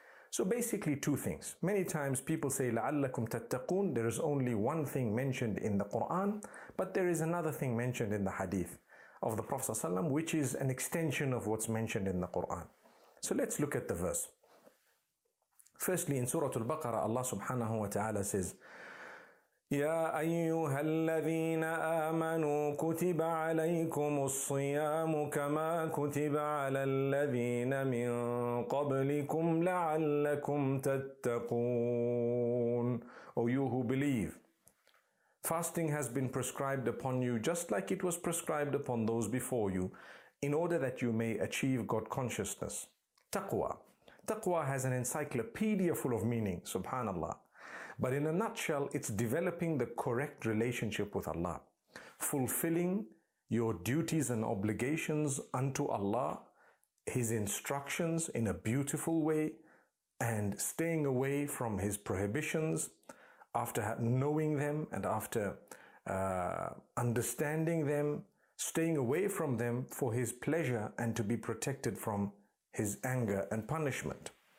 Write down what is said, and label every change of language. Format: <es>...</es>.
<en>So basically two things. Many times people say,</en> <ar>لَعَلَّكُمْ تَتَّقُونَ.</ar> <en>There is only one thing mentioned in the Quran, but there is another thing mentioned in the hadith of the Prophet ﷺ, which is an extension of what's mentioned in the Quran. So let's look at the verse. Firstly, in Surah Al-Baqarah, Allah subhanahu wa ta'ala says,</en> <ar>يا أيها الذين آمنوا كتب عليكم الصيام كما كتب على الذين من قبلكم لعلكم تتقون.</ar> <en>O you who believe, fasting has been prescribed upon you just like it was prescribed upon those before you, in order that you may achieve God consciousness. Taqwa. Taqwa has an encyclopedia full of meaning, subhanAllah. But in a nutshell, it's developing the correct relationship with Allah, fulfilling your duties and obligations unto Allah, His instructions in a beautiful way, and staying away from His prohibitions after knowing them and after understanding them, staying away from them for His pleasure and to be protected from His anger and punishment.</en>